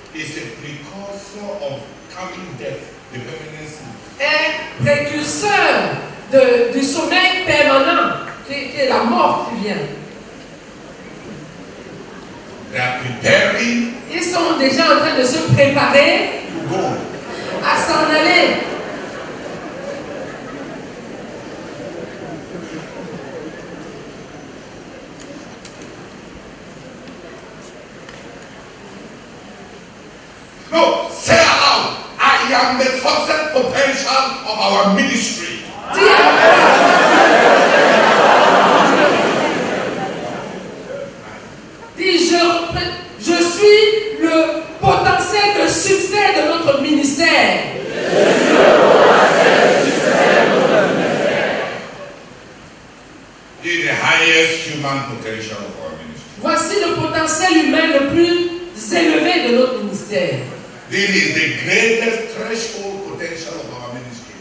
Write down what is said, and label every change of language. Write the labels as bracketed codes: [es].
[en] is a precursor of coming death, the permanent sleep. [fr] Est précurseur du sommeil permanent, qui est la mort qui vient. [en] They are preparing. [fr] Ils sont déjà en train de se préparer [en] to go. [fr] À s'en aller. [en] No, say aloud, I am the success potential of our ministry. [fr] Dis, je suis le potentiel de succès de notre ministère. Je suis le potentiel de succès de notre ministère. [en] The highest human potential of our ministry. [fr] Voici le potentiel humain le plus élevé de notre ministère. [en] This is the greatest threshold potential of our ministry.